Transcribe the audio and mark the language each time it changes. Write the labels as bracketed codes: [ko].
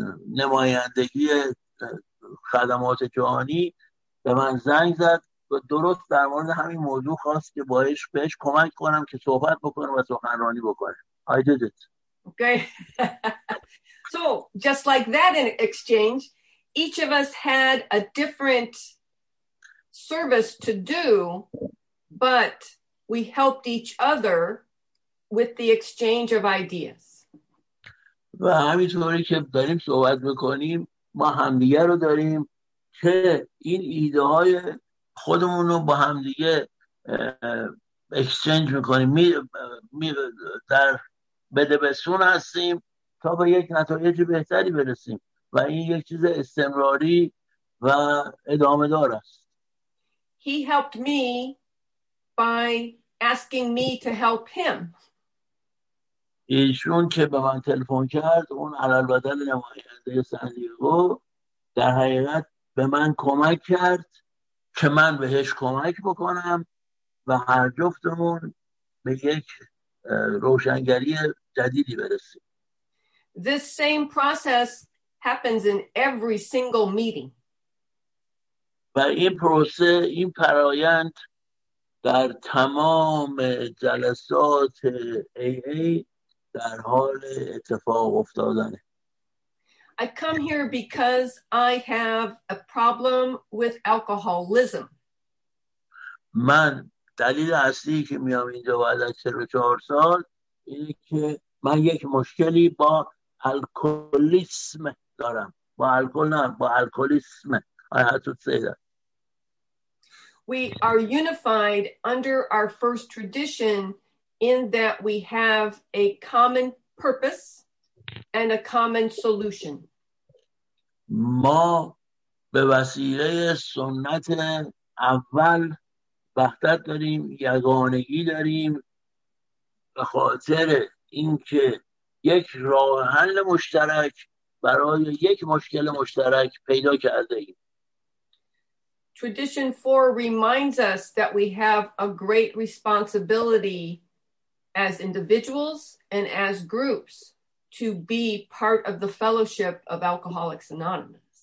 [fa] نمایندگی خدمات جهانی به من زنگ زد و درست در مورد همین موضوع خواست که بایش بهش کمک کنم که صحبت بکنم و سخنرانی بکنم. [en] I did it. Okay. So, just like that in exchange, each of us had a different service to do, but we helped each other with the exchange of ideas. [fa] و همینطوری که داریم صحبت میکنیم، ما همدیگه رو داریم که این ایده های خودمون رو با همدیگه اکسچنج میکنیم، در بده بسون هستیم تا به یک نتایج بهتری برسیم و این یک چیز استمراری و ادامه دار است. [en] He helped me by asking me to help him. [fa] ایشون که به من تلفن کرد، اون علل بدل نماینده سان دیگو، در حقیقت به من کمک کرد که من بهش کمک بکنم و هر جفتمون به یک روشنگری جدیدی برسه. [en] This same process happens in every single meeting. [fa] و این پروسه، این فرایند در تمام جلسات AA در حال اتفاق افتادنه. [en] I come here because I have a problem with alcoholism. [fa] من دلیل اصلی که میام اینجا بعد از 34 سال اینه که من یک مشکلی با الکولیسم دارم. با الکول نه، با الکولیسم. [en] I have to say that. We are unified under our first tradition in that we have a common purpose and a common solution. [fa] ما به وسیله سنت اول وحدت داریم، یگانگی داریم، به خاطر اینکه یک راه حل مشترک برای یک مشکل مشترک پیدا کرده ایم. [en] Tradition 4 reminds us that we have a great responsibility as individuals and as groups to be part of the fellowship of Alcoholics Anonymous.